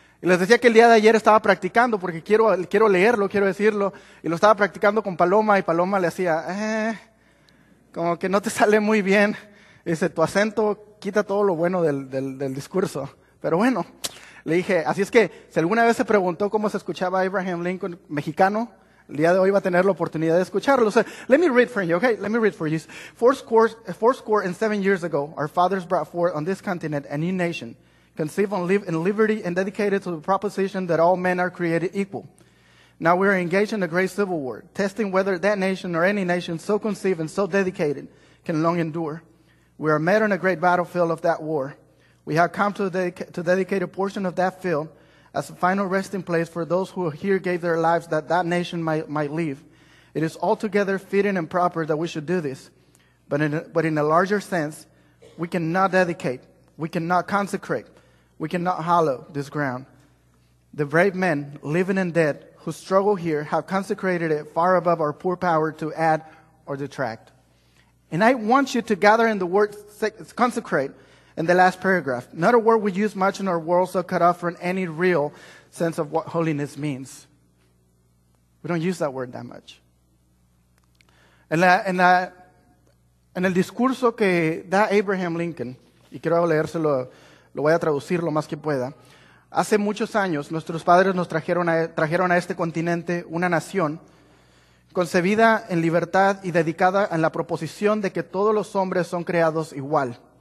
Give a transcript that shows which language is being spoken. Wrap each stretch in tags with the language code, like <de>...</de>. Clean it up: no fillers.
<es>Y les decía que el día de ayer estaba practicando porque quiero leerlo, quiero decirlo y lo estaba practicando con Paloma y Paloma le hacía, como que no te sale muy bien. Dice, tu acento quita todo lo bueno del discurso. Pero bueno, le dije, así es que si alguna vez se preguntó cómo se escuchaba Abraham Lincoln mexicano, el día de hoy va a tener la oportunidad de escucharlo.</es> <en>So, let me read for you, okay? Let me read for you. Four score and 7 years ago, our fathers brought forth on this continent a new nation, conceived in liberty and dedicated to the proposition that all men are created equal. Now we are engaged in a great civil war, testing whether that nation or any nation so conceived and so dedicated can long endure. We are met on a great battlefield of that war. We have come to dedicate a portion of that field as a final resting place for those who here gave their lives that that nation might live. It is altogether fitting and proper that we should do this. But in a larger sense, we cannot dedicate, we cannot consecrate, we cannot hallow this ground. The brave men, living and dead, who struggle here have consecrated it far above our poor power to add or detract. And I want you to gather in the word consecrate in the last paragraph. Not a word we use much in our world, so cut off from any real sense of what holiness means. We don't use that word that much.</en> <es>En el discurso que da Abraham Lincoln, y quiero leérselo, lo voy a traducir lo más que pueda. Hace muchos años, nuestros padres nos trajeron a este continente una nación concebida en libertad y dedicada en la proposición de que todos los hombres son creados igual.</es>